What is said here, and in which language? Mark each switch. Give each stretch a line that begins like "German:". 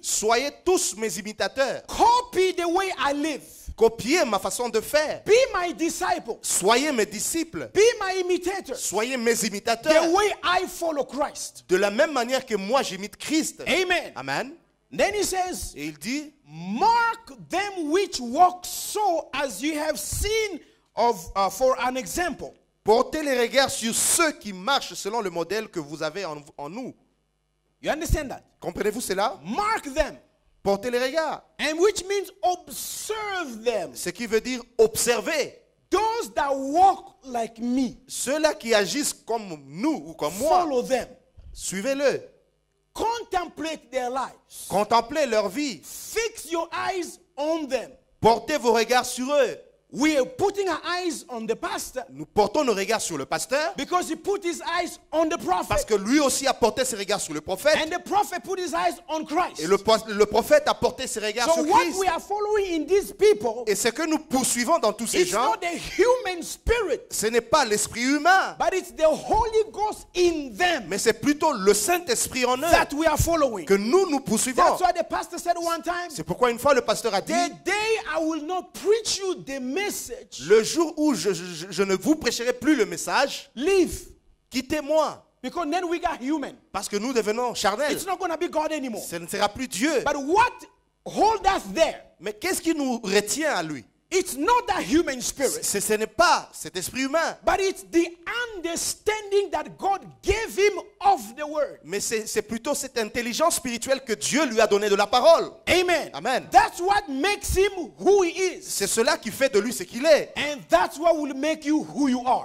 French: Soyez tous mes imitateurs.
English: Copy the way I live.
French: Copiez ma façon de faire.
English: Be my disciple.
French: Soyez mes disciples.
English: Be my imitator.
French: Soyez mes imitateurs.
English: The way I follow Christ.
French: De la même manière que moi j'imite Christ.
English: Amen.
French: Amen.
English: Then he says,
French: et il dit,
English: mark them which walk so as you have seen of for an example.
French: Portez les regards sur ceux qui marchent selon le modèle que vous avez en nous.
English: You understand that?
French: Comprenez-vous cela?
English: Mark them.
French: Portez les regards.
English: And which means observe them.
French: Ce qui veut dire observer.
English: Those that walk like me.
French: Ceux-là qui agissent comme nous ou comme
English: Follow
French: moi.
English: Follow them.
French: Suivez-le.
English: Contemplate their lives.
French: Contemplez leur vie.
English: Fix your eyes on them.
French: Portez vos regards sur eux.
English: We are putting our eyes on the pastor.
French: Nous portons nos regards sur le pasteur.
English: Because he put his eyes on the prophet.
French: Parce que lui aussi a porté ses regards sur le prophète.
English: And the prophet put his eyes on Christ.
French: Et le prophète a porté ses regards
English: so
French: sur
English: what
French: Christ.
English: We are following in these people,
French: et ce que nous poursuivons dans tous ces
English: it's
French: gens,
English: not the human spirit,
French: ce n'est pas l'esprit humain,
English: but it's the Holy Ghost in them,
French: mais c'est plutôt le Saint-Esprit en eux
English: that we are following.
French: Que nous poursuivons.
English: That's why the pastor said one time,
French: c'est pourquoi une fois le pasteur a dit,
English: the day I will not preach you the
French: le jour où je ne vous prêcherai plus le message,
English: leave.
French: Quittez-moi.
English: Because then we got human.
French: Parce que nous devenons charnels.
English: It's not going to be God anymore.
French: Ce ne sera plus Dieu.
English: But what holds us there?
French: Mais qu'est-ce qui nous retient à lui?
English: It's not that human spirit.
French: Ce n'est pas cet esprit humain.
English: But it's the understanding that God gave him of the word.
French: Mais c'est plutôt cette intelligence spirituelle que Dieu lui a donné de la parole.
English: Amen.
French: Amen.
English: That's what makes him who he is.
French: C'est cela qui fait de lui ce qu'il est.
English: And that's what will make you who you are.